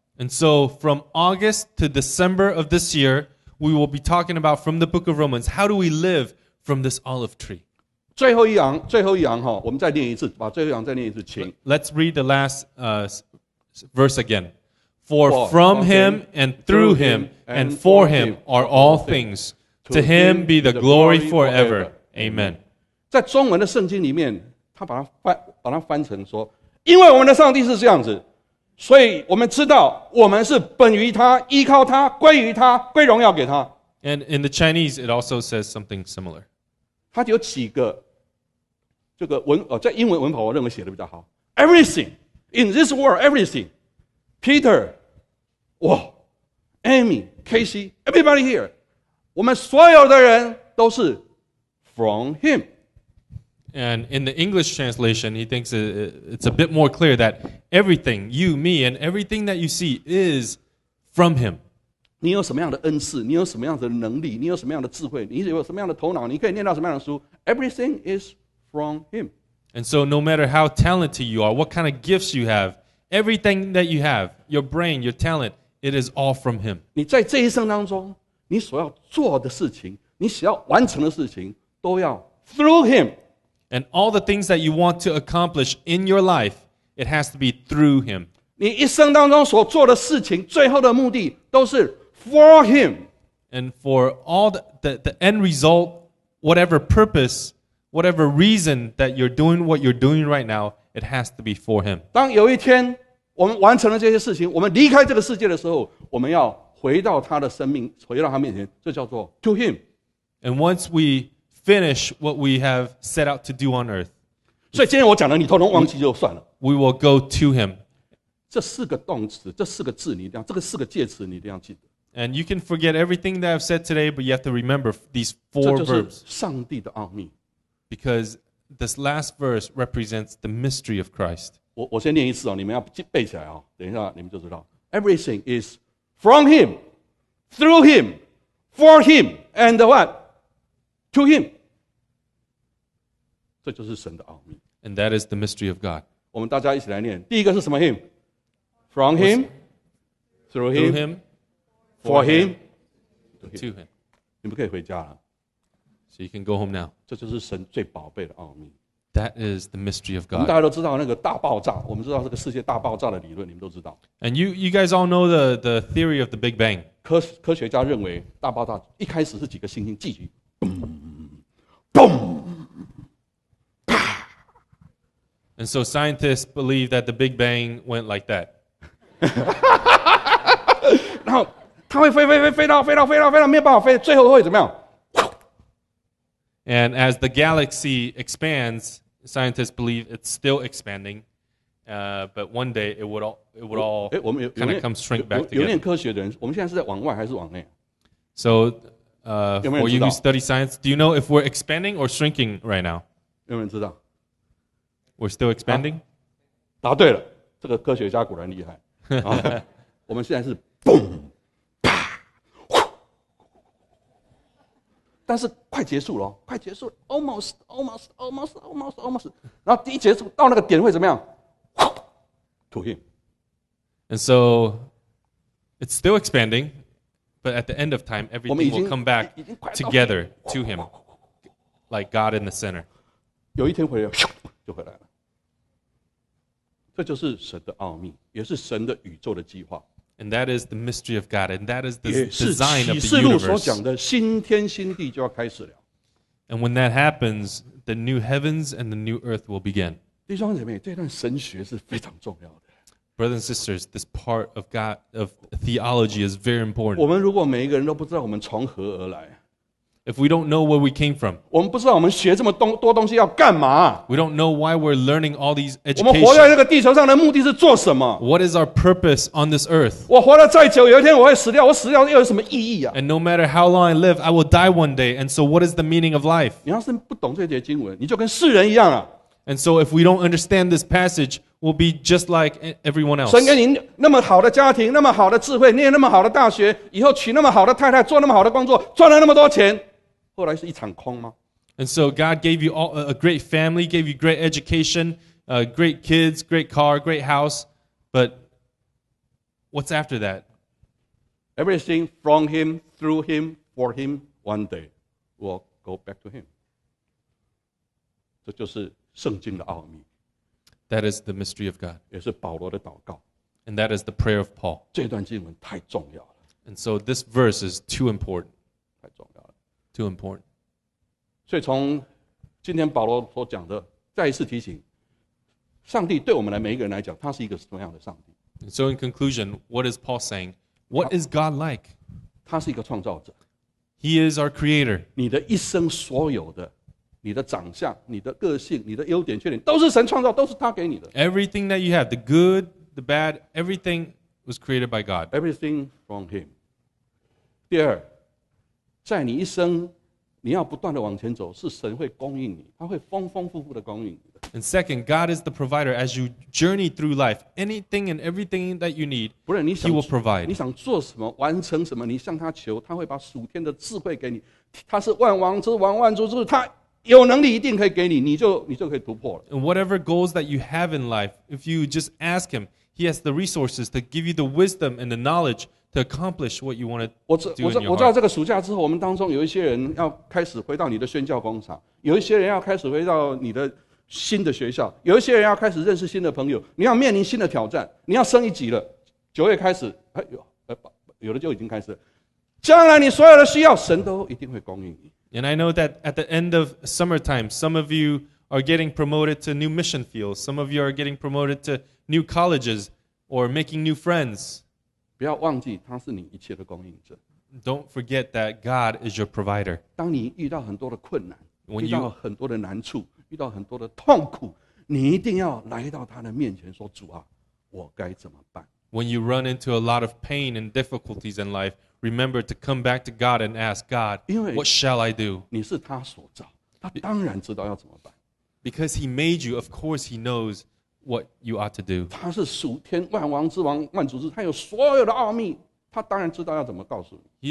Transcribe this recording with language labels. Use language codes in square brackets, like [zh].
[en] And so from August to December of this year, we will be talking about from the book of Romans, how do we live from this olive tree? [zh] 最后一行, 最后一行, 我们再念一次, 把最后一行再念一次, [en] Let's read the last verse again. For from him and through him and for him are all things. To him be the glory forever. Amen. [zh] 在中文的圣经里面，他把它翻成说，因为我们的上帝是这样子，所以我们知道我们是本于他，依靠他，归于他，归荣耀给他。 [en] And in the Chinese, it also says something similar. [zh] 它有几个这个文在英文文法我认为写的比较好。 [en] Everything in this world, everything. Peter, [zh] 我 [en] Amy, Casey, everybody here. [zh] 我们所有的人都是 [en] from him. And in the English translation, he thinks it's a bit more clear that everything, you, me, and everything that you see is from him. [zh] 你有什么样的恩赐？你有什么样的能力？你有什么样的智慧？你有什么样的头脑？你可以念到什么样的书？ [en] Everything is from him. And so no matter how talented you are, what kind of gifts you have, everything that you have, your brain, your talent, it is all from him. [zh] 你在这一生当中，你所要做的事情，你所要完成的事情，都要 [en] through him. And all the things that you want to accomplish in your life, it has to be through him. [zh] 你一生当中所做的事情，最后的目的都是 [en] for him. And for all the end result, whatever purpose, whatever reason that you're doing what you're doing right now, it has to be for him. [zh] 当有一天我们完成了这些事情，我们离开这个世界的时候，我们要回到他的生命，回到他面前，这叫做 [en] to him. And once we... finish what we have set out to do on earth. [zh] 所以今天我讲的你通通忘记就算了。 [en] We will go to him. [zh] 这四个动词，这四个字你一定要，这个四个介词你一定要记得。 [en] And you can forget everything that I've said today, but you have to remember these four verbs. [zh] 这就是上帝的奥秘。 [en] Because this last verse represents the mystery of Christ. [zh] 我先念一次哦，你们要背起来哦，等一下你们就知道。 [en] Everything is from him, through him, for him, and what? To him. [zh] 这就是神的奥秘。 [en] And that is the mystery of God. [zh] 我们大家一起来念。第一个是什么 [en] him? From him, through him, for him, to him. [zh] 你们可以回家了。 [en] So you can go home now. [zh] 这就是神最宝贝的奥秘。 [en] That is the mystery of God. [zh] 我们大家都知道那个大爆炸，我们知道这个世界大爆炸的理论，你们都知道。 [en] And you guys all know the theory of the Big Bang. [zh] 科学家认为大爆炸一开始是几个星星聚集。 [en] Boom! And so scientists believe that the Big Bang went like that. [zh] 然后它会飞飞飞飞到飞到飞到飞到没有办法飞，最后会怎么样 [en] ？And as the galaxy expands, scientists believe it's still expanding. But one day it would all kind of come shrink back together. [zh] 有念科学的人，我们现在是在往外还是往内 [en] ？So. For you who study science, do you know if we're expanding or shrinking right now? [zh] 有人知道 [en] We're still expanding?、 [zh] 答对了，这个科学家果然厉害。我们现在是 [en] boom, [zh] 啪，呼，但是快结束了，快结束了 ， [en] almost, almost, almost, almost, almost。 [zh] 然后一结束到那个点会怎么样？ [en] 呼 ，to him. And so, it's still expanding. But at the end of time, everything will come back together to him, like God in the center. [zh] 有一天回来，就回来了。这就是神的奥秘，也是神的宇宙的计划。 [en] And that is the mystery of God, and that is the design of the universe. [zh] 也是启示录所讲的新天新地就要开始了。 [en] And when that happens, the new heavens and the new earth will begin. [zh] 弟兄姐妹，这段神学是非常重要的。 [en] Brothers and sisters, this part of God, of theology is very important. [zh] 我们如果每一个人都不知道我们从何而来 [en] If we don't know where we came from, [zh] 我们不知道我们学这么多东西要干嘛 [en] We don't know why we're learning all these education. [zh] 我们活在这个地球上的目的是做什么 [en] What is our purpose on this earth? [zh] 我活得再久，有一天我会死掉，我死掉又有什么意义啊 [en] And no matter how long I live, I will die one day. And so what is the meaning of life? [zh] 你要是不懂这节经文，你就跟世人一样啊 [en] And so if we don't understand this passage,will be just like everyone else. [zh] 神给你那么好的家庭，那么好的智慧，念那么好的大学，以后娶那么好的太太，做那么好的工作，赚了那么多钱，后来是一场空吗 [en] ？And so God gave you all a great family, gave you great education, great kids, great car, great house, but what's after that? Everything from Him, through Him, for Him, one day will go back to Him. [zh] 这就是圣经的奥秘。 [en] That is the mystery of God. [zh] 也是保罗的祷告。 [en] And that is the prayer of Paul. And so this verse is too important. Too important. [zh] 所以从今天保罗所讲的, 再一次提醒, 上帝对我们来每一个人来讲, 他是一个什么样的上帝? [en] And so in conclusion, what is Paul saying? What is God like? [zh] 他是一个创造者。 [en] He is our creator. [zh] 你的一生所有的, 你的长相, 你的个性, 你的优点, 缺点, 都是神创造, 都是他给你的。 [en] Everything that you have, the good, the bad, everything was created by God. Everything from Him. [zh] 第二, 在你一生, 你要不断地往前走, 是神会供应你, 他会丰丰富富地供应你。 [en] And second, God is the provider. As you journey through life, anything and everything that you need, [zh] 不是你想, [en] He will provide. [zh] 你想做什么, 完成什么, 你向他求, 他会把属天的智慧给你, 他是万王之王万主之, 他有能力一定可以给你, 你就可以突破了。 [en] And whatever goals that you have in life, if you just ask Him, He has the resources to give you the wisdom and the knowledge to accomplish what you want to do in your heart. [zh] 我知道这个暑假之后, 我们当中有一些人要开始回到你的宣教工厂, 有一些人要开始回到你的 新的学校, 有一些人要开始认识新的朋友, 你要面临新的挑战, 你要升一级了, 九月开始, 有的就已经开始了, 将来你所有的需要, 神都一定会供应你。 [en] And I know that at the end of summertime, some of you are getting promoted to new mission fields, some of you are getting promoted to new colleges or making new friends. [zh] 不要忘记他是你一切的供应者。 [en] Don't forget that God is your provider. [zh] 当你遇到很多的困难, 遇到很多的难处, 遇到很多的痛苦, 你一定要来到他的面前说主啊, 我该怎么办? [en] When you run into a lot of pain and difficulties in life, remember to come back to God and ask God, what shall I do? [zh] 你是他所造, 他当然知道要怎么办。 [en] Because He made you, of course He knows what you ought to do. [zh] 他是属天万王之王万主之, 他有所有的奥秘, 他当然知道要怎么告诉你。